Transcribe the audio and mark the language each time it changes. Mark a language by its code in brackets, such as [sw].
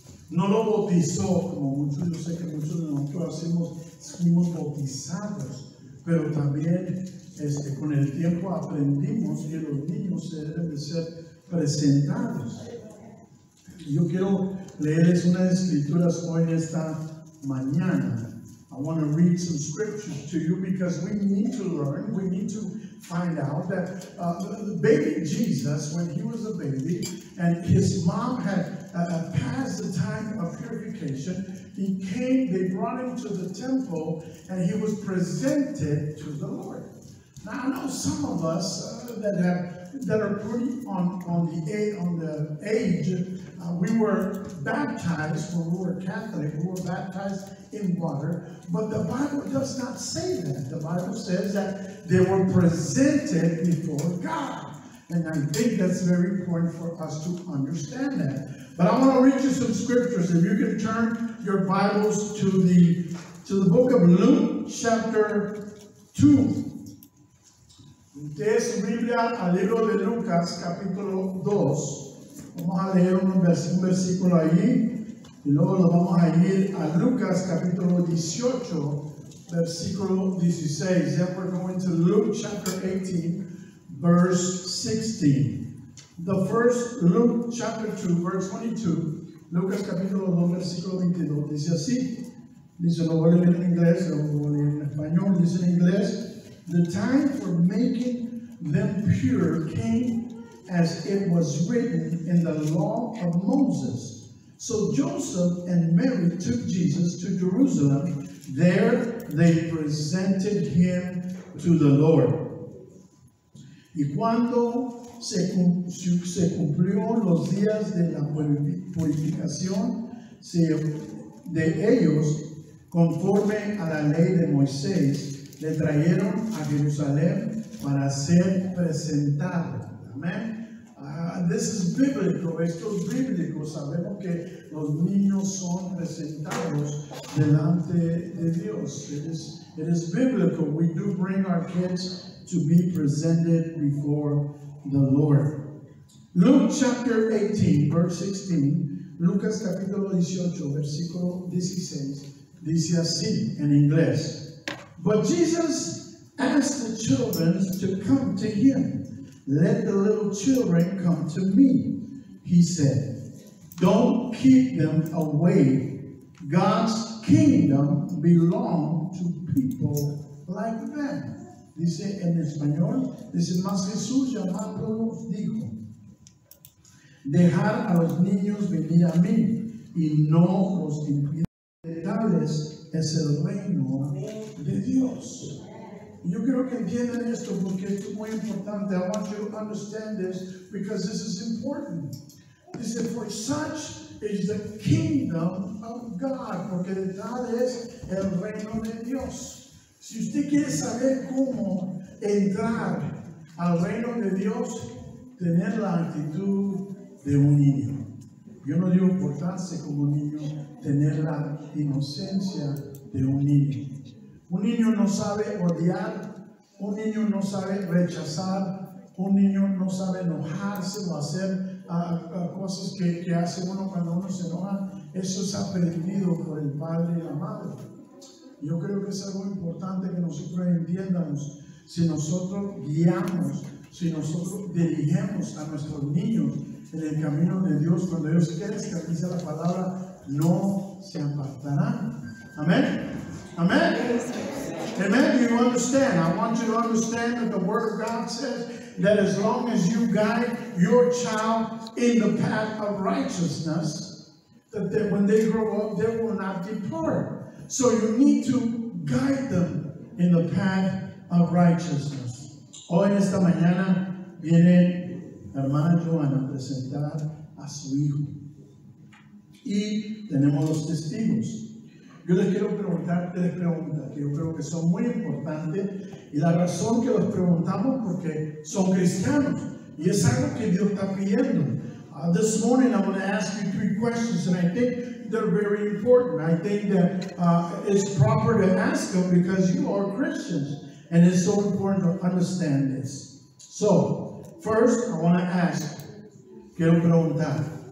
[es] No lo bautizó, como muchos, yo sé que muchos de nosotros hacemos, fuimos bautizados, pero también con el tiempo aprendimos que los niños se deben de ser presentados. Yo quiero leerles unas escrituras hoy en esta mañana. [en] I want to read some scriptures to you because we need to learn, we need to find out that baby Jesus, when he was a baby, and his mom had passed the time of purification, he came, they brought him to the temple, and he was presented to the Lord. Now, I know some of us that are pretty on the age, we were baptized when we were Catholic, we were baptized in water, but the Bible does not say that. The Bible says that they were presented before God. And I think that's very important for us to understand that. But I want to read you some scriptures. If you can turn your Bibles to the book of Luke, chapter 2. [es] Ustedes su Biblia al libro de Lucas, capítulo 2. Vamos a leer un versículo ahí. Y luego lo vamos a ir a Lucas, capítulo 18, versículo 16. [en] Then we're going to Luke, chapter 18. Verse 16. The first, Luke chapter 2, verse 22. [es] Lucas capítulo 2, versículo 22. Dice así. Dice, lo voy a leer en inglés, lo voy a leer en español. Dice en inglés, [en] the time for making them pure came as it was written in the law of Moses. So Joseph and Mary took Jesus to Jerusalem. There they presented him to the Lord. [es] Y cuando se cumplió los días de la purificación de ellos, conforme a la ley de Moisés, le trajeron a Jerusalén para ser presentado. Amén. [en] This is bíblico. [es] Esto es bíblico. Sabemos que los niños son presentados delante de Dios. [en] It is bíblico. We do bring our kids to be presented before the Lord. Luke chapter 18, verse 16. [es] Lucas capítulo 18, versículo 16. Dice así en inglés. [en] But Jesus asked the children to come to him. Let the little children come to me, he said. Don't keep them away. God's kingdom belongs to people like them. [es] Dice en español, dice, mas Jesús llamándolos dijo, dejar a los niños venir a mí y no los impide. Tales es el reino de Dios. Yo quiero que entiendan esto porque esto es muy importante. [en] I want you to understand this because this is important. [es] Dice, [en] for such is the kingdom of God, [es] porque de tales el reino de Dios. Si usted quiere saber cómo entrar al reino de Dios, tener la actitud de un niño. Yo no digo portarse como un niño, tener la inocencia de un niño. Un niño no sabe odiar, un niño no sabe rechazar, un niño no sabe enojarse o hacer cosas que hace uno cuando uno se enoja. Eso es aprendido por el padre y la madre. Yo creo que es algo importante que nosotros entendamos. Si nosotros guiamos, si nosotros dirigimos a nuestros niños en el camino de Dios, cuando ellos crezcan, dice la palabra, no se apartarán. [en] Amén. Amén. Amen. You understand? I want you to understand that the Word of God says that as long as you guide your child in the path of righteousness, that they, when they grow up, they will not depart. So you need to guide them in the path of righteousness. [es] Hoy esta mañana viene hermana Joana a presentar a su hijo. Y tenemos los testigos. Yo les quiero preguntar tres preguntas que yo creo que son muy importantes. Y la razón que los preguntamos porque son cristianos. Y es algo que Dios está pidiendo. [en] This morning I'm going to ask you three questions and I think they're very important. I think that it's proper to ask them because you are Christians. And it's so important to understand this. So, first I want to ask, [es] quiero preguntar.